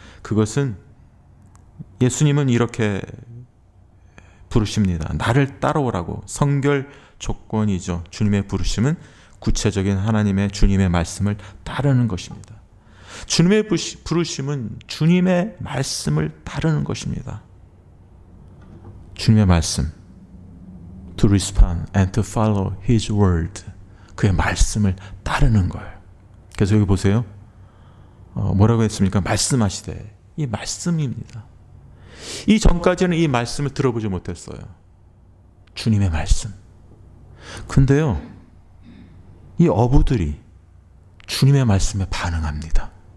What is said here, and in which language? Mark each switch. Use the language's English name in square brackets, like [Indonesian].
[Korean] 그것은 예수님은 이렇게 부르십니다. 나를 따라오라고. 성결 조건이죠. 주님의 부르심은 구체적인 하나님의 주님의 말씀을 따르는 것입니다. 주님의 부르심은 주님의 말씀을 따르는 것입니다. 주님의 말씀. [English] To respond and to follow his word. [Korean] 그의 말씀을 따르는 거예요. 그래서 여기 보세요. 뭐라고 했습니까? 말씀하시되. 이 말씀입니다. 이 전까지는 이 말씀을 들어보지 못했어요. 주님의 말씀. 근데요, 이 어부들이 주님의 말씀에 반응합니다.